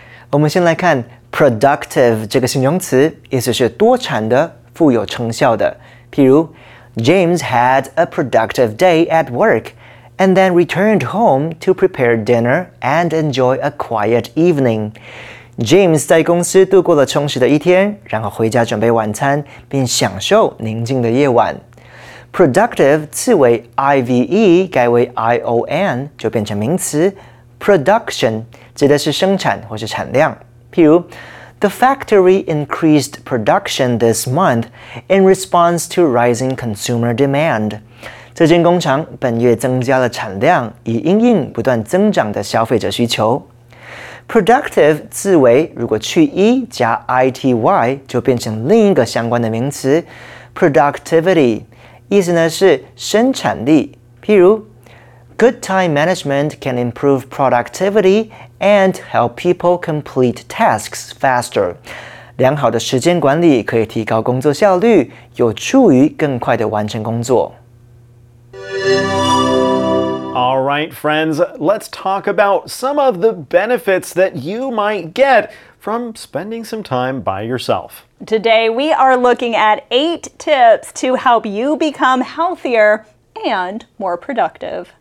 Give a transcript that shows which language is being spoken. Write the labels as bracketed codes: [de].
[zh] 我们先来看 productive 这个形容词，意思是多产的，富有成效的。譬如 [en] James had a productive day at work. And then returned home to prepare dinner and enjoy a quiet evening. [zh] James 在公司度过了充实的一天，然后回家准备晚餐，并享受宁静的夜晚。 Productive 次为 I-V-E 改为 I-O-N 就变成名词。 Production 指的是生产或是产量。譬如 [en] ,The factory increased production this month in response to rising consumer demand. [zh] 这间工厂本月增加了产量，以因应不断增长的消费者需求。 Productive 字尾如果去 e 加 ity 就变成另一个相关的名词 ，productivity， 意思呢是生产力。譬如 [en] ，Good time management can improve productivity and help people complete tasks faster。 [zh] 良好的时间管理可以提高工作效率，有助于更快地完成工作。 [en] All right, friends, let's talk about some of the benefits that you might get from spending some time by yourself. Today, we are looking at 8 tips to help you become healthier and more productive.